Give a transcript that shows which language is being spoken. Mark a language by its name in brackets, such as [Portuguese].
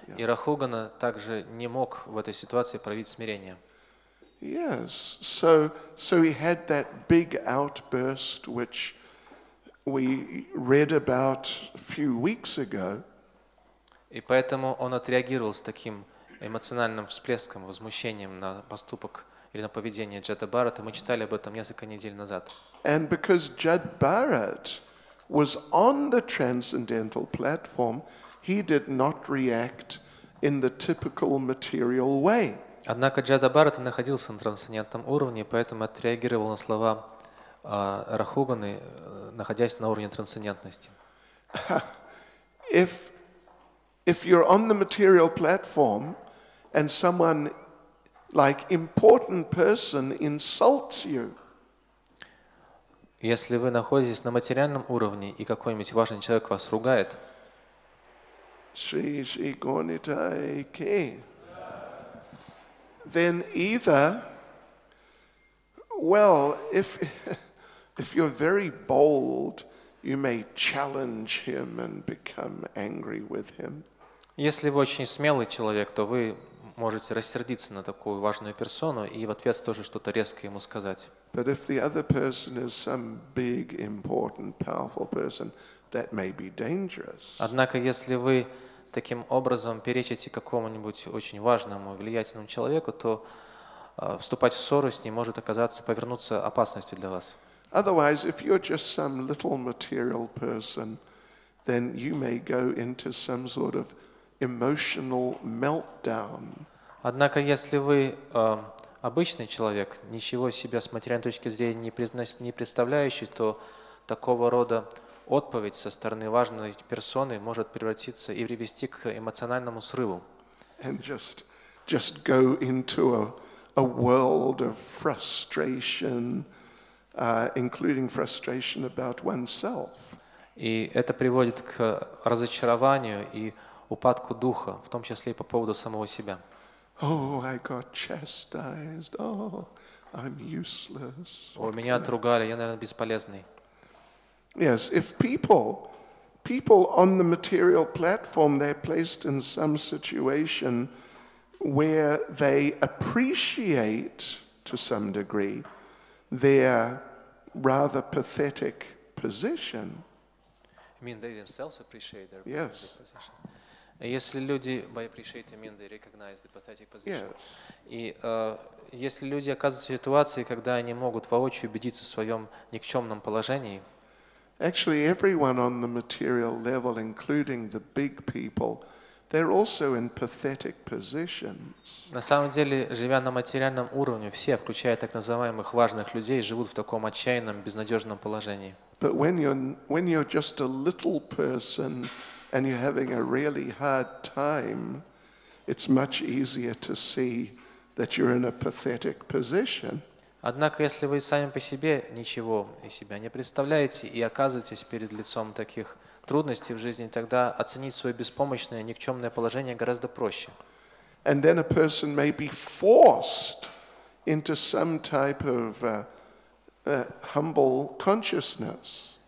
[Russian] И Рахугана также не мог в этой ситуации проявить смирение. [English] Yes, so he had that big outburst which we read about a few weeks ago. [Russian] И поэтому он отреагировал с таким эмоциональным всплеском, возмущением на поступок или на поведение Джада Барретта. Мы читали об этом несколько недель назад. [English] And because Judd Barrett was on the transcendental platform, he did not react in the typical material way. [Russian] Однако Джада Барретта находился на трансцендентном уровне, поэтому отреагировал на слова Рахуганы, находясь на уровне трансцендентности. [English] If you're on the material platform and someone like important person insults you. [Russian] Если вы находитесь на материальном уровне и какой-нибудь важный человек вас ругает. [English] Then either, well, if you're very bold, you may challenge him and become angry with him. [Russian] Если вы очень смелый человек, то вы можете рассердиться на такую важную персону и в ответ тоже что-то резко ему сказать. [English] But if the other person is some big, important, powerful person, that may be dangerous. [Russian] Однако, если вы таким образом перечите какому-нибудь очень важному, влиятельному человеку, то вступать в ссору с ним может оказаться, повернуться опасностью для вас. [English] Otherwise, if you're just some little material person, then you may go into some sort of emotional meltdown. [Russian] Однако, если вы обычный человек, ничего себя с материальной точки зрения не представляющий, то такого рода отповедь со стороны важной персоны может превратиться и привести к эмоциональному срыву. [English] and just go into a world of frustration, including frustration about oneself. [Russian] И это приводит к разочарованию и упадку духа, в том числе и по поводу самого себя. [English] Oh, I got chastised. Oh, I'm useless. [Russian] О, меня отругали, я, наверное, бесполезный. [English] Yes, if people on the material platform, they're placed in some situation where they appreciate to some degree their rather pathetic position. You mean they themselves appreciate their yes. position? [Russian] Если люди, [English] by appreciate, I mean they recognize the pathetic position. Yes. [Russian] И если люди оказываются в ситуации, когда они могут воочию убедиться в своем никчемном положении, [English] actually, everyone on the material level, including the big people, they're also in pathetic positions. [Russian] На самом деле, живя на материальном уровне, все, включая так называемых важных людей, живут в таком отчаянном, безнадежном положении. [English] But when you're just a little person and you're having a really hard time, it's much easier to see that you're in a pathetic position. [Russian] Однако, если вы сами по себе ничего из себя не представляете и оказываетесь перед лицом таких трудностей в жизни, тогда оценить свое беспомощное, никчемное положение гораздо проще. [English] And then a person may be forced into some type of humble consciousness.